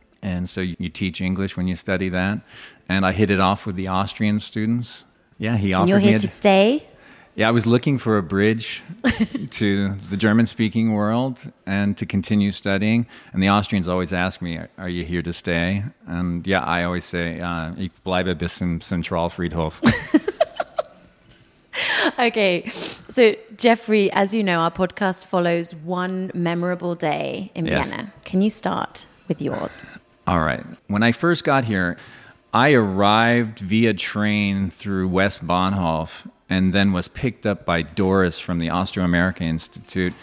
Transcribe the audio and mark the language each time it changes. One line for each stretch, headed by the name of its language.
English: And so you teach English when you study that. And I hit it off with the Austrian students. Yeah, he offered me. And you're here to stay? Yeah, I was looking for a bridge to the German-speaking world and to continue studying. And the Austrians always ask me, are you here to stay? And yeah, I always say,
German: ich bleibe bis im Zentralfriedhof.
English: Okay, so Jeffrey, as you know, our podcast follows one memorable day in Vienna. Yes. Can you start with yours? All right. When I first got here, I arrived via train through West Bahnhof and then was picked up by Doris from the Austro-American Institute.